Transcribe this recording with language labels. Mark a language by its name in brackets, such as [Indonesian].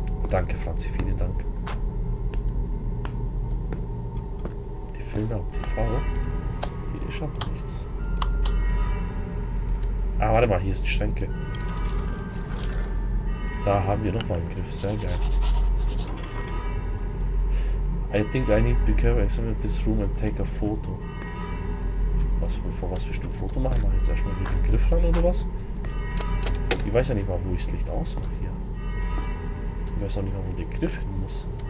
[German] Danke, Franzi, vielen Dank. Die Filme auf TV. Hier ist aber nichts. Ah, warte mal, hier sind Schränke. Da haben wir nochmal einen Griff. Sehr geil. [English] I think I need to be careful. Examine this room and take a photo. [German] Was, bevor was willst du ein Foto machen? Mach jetzt erstmal hier den Griff rein oder was? Ich weiß ja nicht mal, wo ich das Licht ausmache hier. Ich weiß auch nicht mehr, wo der Griff hin muss.